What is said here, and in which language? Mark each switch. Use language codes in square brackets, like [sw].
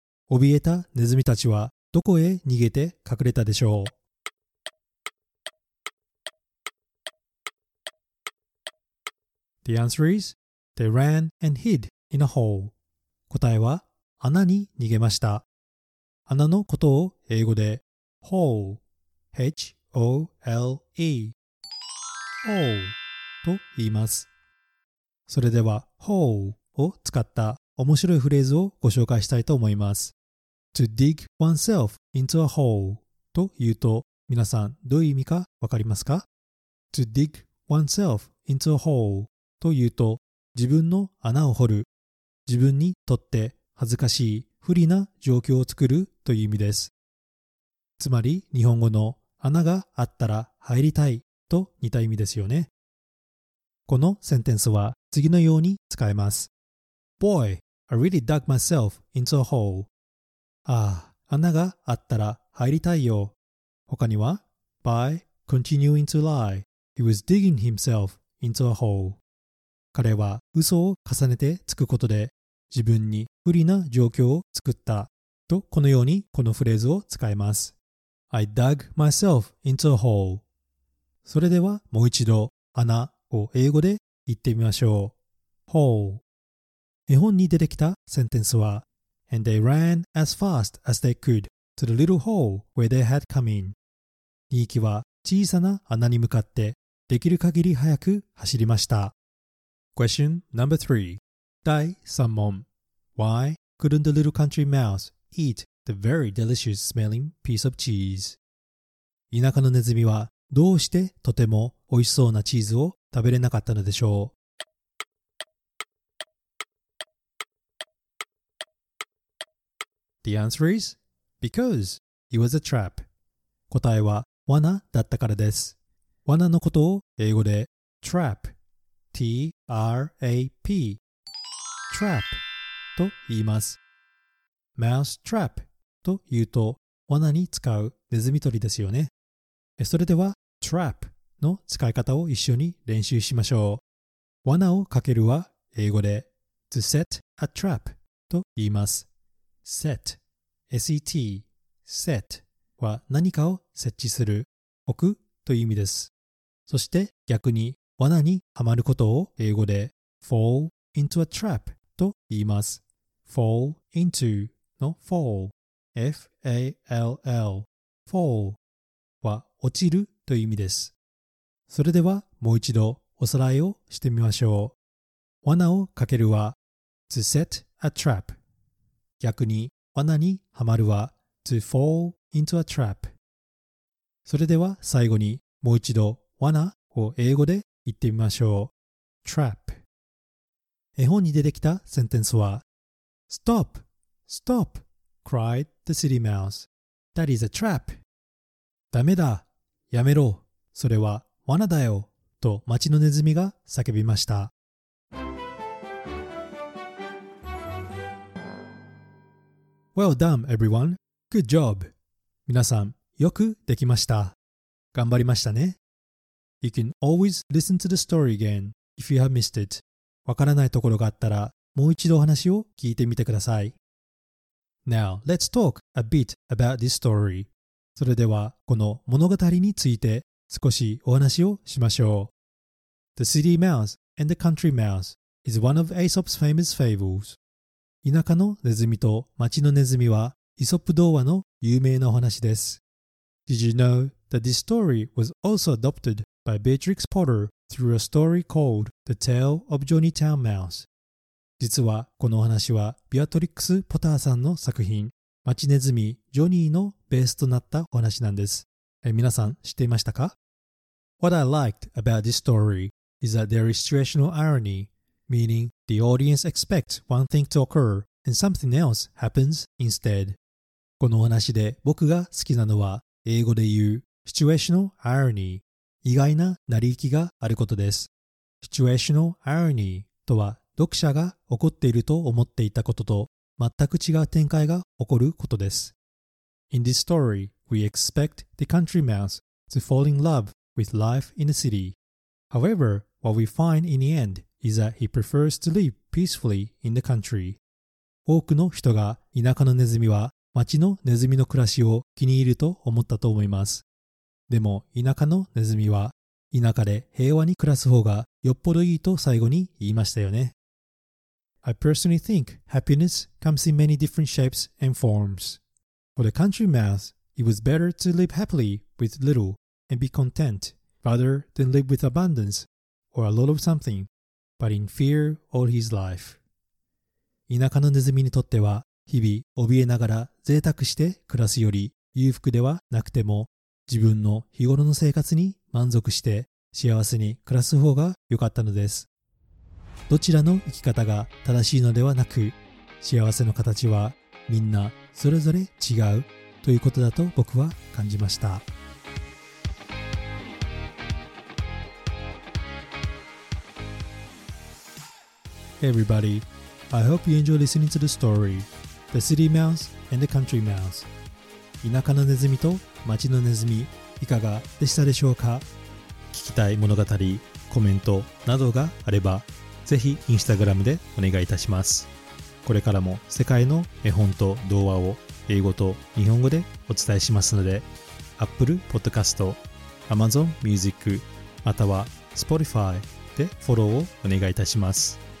[ja] 怯えたネズミたちはどこへ逃げて隠れたでしょう。 [en] The answer is, they ran and hid in a hole. [ja] 答えは、穴に逃げました。穴のことを英語で、hole, H-O-L-E, hole と言います。それでは、hole を使った面白いフレーズをご紹介したいと思います。 [en] To dig oneself into a hole [ja] と言うと、皆さんどういう意味かわかりますか? [en] To dig oneself into a hole. [ja] というと、自分の穴を掘る、自分にとって恥ずかしい不利な状況を作るという意味です。つまり日本語の穴があったら入りたいと似た意味ですよね。このセンテンスは次のように使えます。 [en] Boy, I really dug myself into a hole. [ja] ああ、穴があったら入りたいよ。他には、 [en] By continuing to lie, he was digging himself into a hole. [ja] 彼は嘘を重ねてつくことで自分に不利な状況を作ったと、このようにこのフレーズを使います。 [en] I dug myself into a hole。 [ja] それではもう一度穴を英語で言ってみましょう。 [en] hole。 [ja] 絵本に出てきたセンテンスは、 [en] And they ran as fast as they could to the little hole where they had come in。 [ja] ニーキは小さな穴に向かってできる限り早く走りました。 [en] Question number three. [ja] 第3問。 [en] Why couldn't the little country mouse eat the very delicious smelling piece of cheese? [ja] 田舎のネズミはどうしてとても美味しそうなチーズを食べれなかったのでしょう? [en] The answer is because it was a trap. [ja] 答えは罠だったからです。罠のことを英語で trap。 T-R-A-P Trap と言います。 Mouse trap と言うと、罠に使うネズミ捕りですよね。それでは、trap の使い方を一緒に練習しましょう。罠をかけるは英語で、 [en] to set a trap [ja] と言います。 set, S-E-T, set は何かを設置する、置くという意味です。そして逆に、罠にはまることを英語で [en] fall into a trap [ja] と言います。 fall into の fall, F-A-L-L, fall は落ちるという意味です。それではもう一度おさらいをしてみましょう。罠をかけるは [en] to set a trap。 [ja] 逆に罠にはまるは [en] to fall into a trap。 [ja] それでは最後にもう一度罠を英語で言ってみましょう。 [en] trap。 [ja] 絵本に出てきたセンテンスは、 Stop! [en] Stop! cried the city mouse. That is a trap! [ja] ダメだ、やめろ、それは罠だよ、と町のネズミが叫びました。 [en] Well done, everyone! Good job! [ja] 皆さん、よくできました。頑張りましたね。 [en] You can always listen to the story again if you have missed it. [ja] わからないところがあったら、もう一度お話を聞いてみてください。 [en] Now, let's talk a bit about this story. [ja] それでは、この物語について少しお話をしましょう。 [en] The City Mouse and the Country Mouse is one of Aesop's famous fables. [ja] 田舎のネズミと町のネズミは、イソップ童話の有名なお話です。 [en] Did you know that this story was also adopted by Beatrix Potter through a story called The Tale of Johnny Town Mouse? [ja] 実はこのお話はビアトリックス・ポターさんの作品、町ネズミ・ジョニーのベースとなったお話なんです。皆さん知っていましたか? [en] What I liked about this story is that there is situational irony, meaning the audience expects one thing to occur and something else happens instead. [ja] このお話で僕が好きなのは英語で言う situational irony、 意外な成り行きがあることです。 Situational irony とは読者が怒っていると思っていたことと全く違う展開が起こることです。 [en] In this story,We expect the country mouse to fall in love with life in the city. However, what we find in the end is that he prefers to live peacefully in the country. [ja] 多くの人が田舎のネズミは町のネズミの暮らしを気に入ると思ったと思います。でも田舎のネズミは田舎で平和に暮らす方がよっぽどいいと最後に言いましたよね。 [en] I personally think happiness comes in many different shapes and forms. For the country mouse,It was better to live happily with little and be content rather than live with abundance or a lot of something, but in fear all his life. [ja] 田舎のネズミにとっては日々怯えながら贅沢して暮らすより裕福ではなくても自分の日頃の生活に満足して幸せに暮らす方が良かったのです。どちらの生き方が正しいのではなく幸せの形はみんなそれぞれ違う。ということだと僕は感じました。 [en] Hey everybody, I hope you enjoy listening to the story, The City Mouse and the Country Mouse. [ja] 田舎のネズミと町のネズミ、いかがでしたでしょうか。聞きたい物語、コメントなどがあれば、ぜひインスタグラムでお願いいたします。これからも世界の絵本と童話を英語と日本語でお伝えしますので Apple Podcast、Amazon Music、または Spotify でフォローをお願いいたします。